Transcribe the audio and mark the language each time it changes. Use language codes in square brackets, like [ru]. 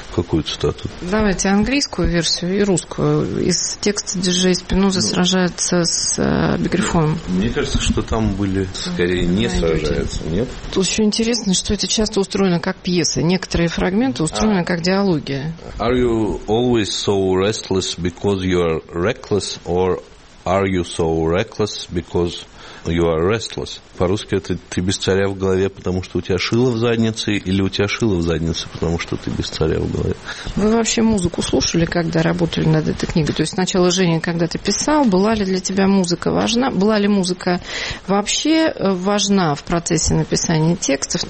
[ru] Какую цитату? Давайте английскую версию и русскую. Из текста диджей Спиноза сражается с Бегрифоном. Мне кажется, что там были скорее не сражаются, нет? Тут еще интересно, что это часто устроено как пьеса. Некоторые фрагменты устроены как диалоги. [en] Are you always so restless because you are reckless, or are you so reckless because you are restless? [ru] По-русски это «ты без царя в голове, потому что у тебя шило в заднице», или «у тебя шило в заднице, потому что ты без царя в голове». Вы вообще музыку слушали, когда работали над этой книгой? То есть сначала, Женя, когда ты писал, была ли для тебя музыка важна? Была ли музыка вообще важна в процессе написания текстов?